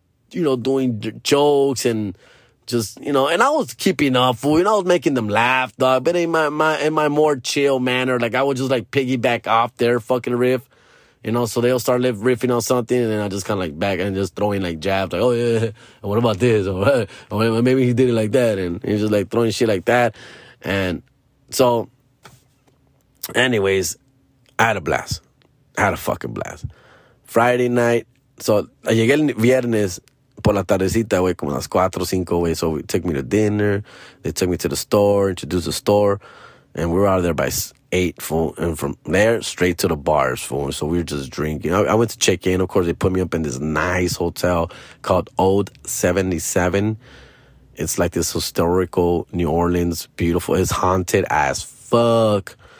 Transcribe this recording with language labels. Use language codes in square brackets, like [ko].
[en] you know, doing jokes and just, you know, and I was keeping up, fool, and I was making them laugh, dog, but in my more chill manner, like, I would just, like, piggyback off their fucking riff, you know, so they'll start riffing on something, and then I just kind of, like, back and just throwing, like, jabs, like, oh, yeah, what about this, or maybe he did it like that, and he's just, like, throwing shit like that, and so, anyways, I had a fucking blast. Friday night, so, [es] llegué el viernes, por la tardecita, güey, como las 4 o 5, güey. [en] So, it took me to dinner. They took me to the store, introduced the store. And we were out of there by 8, fool. And from there, straight to the bars, fool. So, we were just drinking. I went to check in. Of course, they put me up in this nice hotel called Old 77. It's like this historical New Orleans, beautiful. It's haunted as fuck.